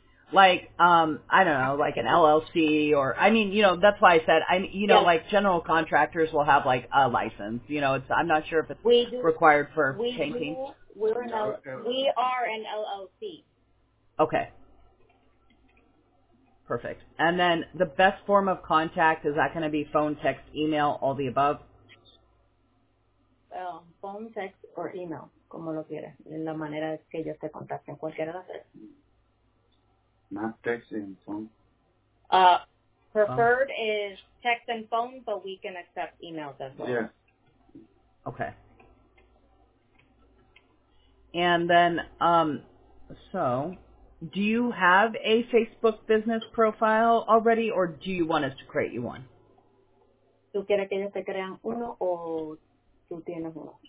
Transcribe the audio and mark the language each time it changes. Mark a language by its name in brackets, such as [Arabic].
[English] Like, I don't know, like an LLC or, I mean, you know, that's why I said, like general contractors will have like a license, you know, it's, I'm not sure if it's required for painting. We are an LLC. Okay. Perfect. And then the best form of contact, is that going to be phone, text, email, all the above? Phone, text, or email, [Spanish] como lo quieres, en la manera que ellos te contacten, cualquiera de las veces. [English] Not text and phone. Preferred is text and phone, but we can accept emails as well. Yeah. Okay. And then, so, do you have a Facebook business profile already, or do you want us to create you one? [Spanish] ¿Tú quieres que ellos te crean uno o tú tienes uno?